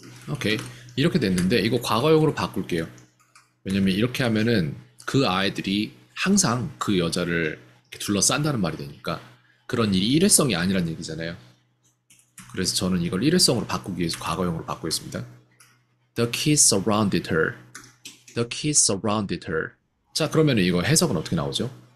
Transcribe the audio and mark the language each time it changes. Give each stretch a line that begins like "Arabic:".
Korean: 오케이. 이렇게 됐는데 이거 과거형으로 바꿀게요. 왜냐면 이렇게 하면은 그 아이들이 항상 그 여자를 둘러싼다는 말이 되니까 그런 일이 일회성이 아니란 얘기잖아요. 그래서 저는 이걸 일회성으로 바꾸기 위해서 과거형으로 바꾸겠습니다.
English: The kids surrounded her. The kids surrounded her.
Korean: 자, 그러면 이거 해석은 어떻게 나오죠?